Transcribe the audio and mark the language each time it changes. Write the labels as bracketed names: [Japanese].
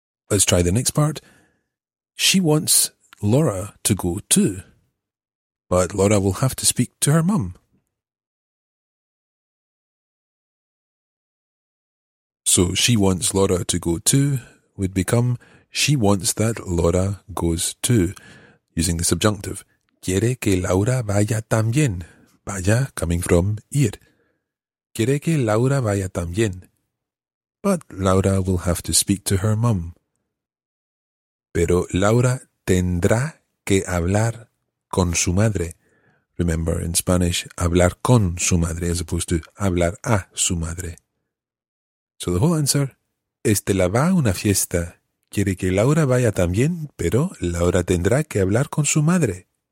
[English] Let's try the next part. She wants Laura to go too. But Laura will have to speak to her mum. So she wants Laura to go too would become she wants that Laura goes too, using the subjunctive. [Spanish] Quiere que Laura vaya también. Vaya [English] coming from [Spanish] ir. Quiere que Laura vaya también. [English] But Laura will have to speak to her mum. [Spanish] Pero Laura tendrá que hablar con su madre. [English] Remember, in Spanish, [Spanish] hablar con su madre [English] as opposed to [Spanish] hablar a su madre. [English] So the whole answer, [Spanish] Estela va a una fiesta. Quiere que Laura vaya también, pero Laura tendrá que hablar con su madre.